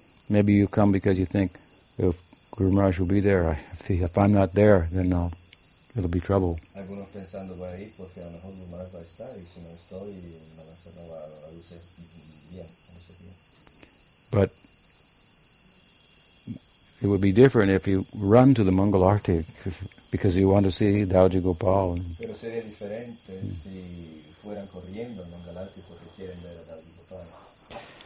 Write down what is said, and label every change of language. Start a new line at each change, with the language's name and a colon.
English: Maybe you come because you think, Guru Maharaj will be there. If I'm not there, then it'll be trouble.
Spanish: Algunos pensando por ahí porque a lo mejor Guru Maharaj va a estar y si no estoy, Maharaj no va a lucir bien en ese día.
English: But it would be different if you run to the Mangal Arti because you want to see Dauji Gopal.
Spanish: Pero sería diferente si fueran corriendo al Mangal Arti porque quieren ver a Dauji Gopal.